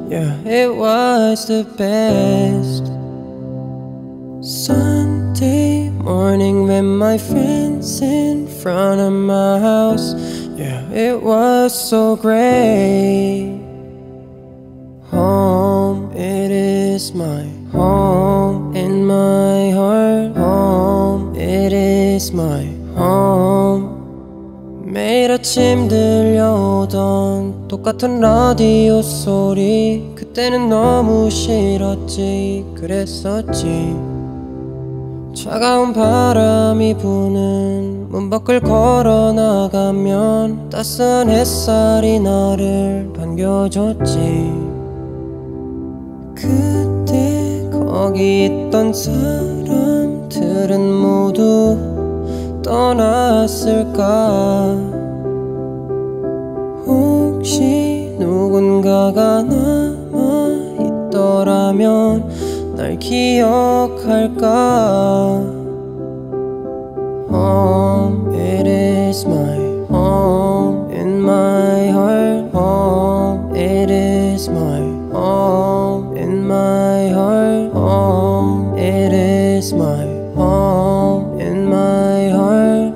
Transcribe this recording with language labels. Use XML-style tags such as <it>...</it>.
<en>Yeah, it was the best. Sunday morning when my friends in front of my house. Yeah, it was so great. Home, it is my home in my heart. Home, it is my home.</en> <ko>매일 아침 들려오던 똑같은 라디오 소리. 그때는 너무 싫었지, 그랬었지. 차가운 바람이 부는 문 밖을 걸어 나가면 따스한 햇살이 나를 반겨줬지. 그때 거기 있던 사람들은 모두 떠났을까? 혹시 누군가가 남아 있더라면 날 기억할까?</ko> <en>Home, it is my home in my heart. Home, it is my home in my heart. Home, it is my home in my heart.</en>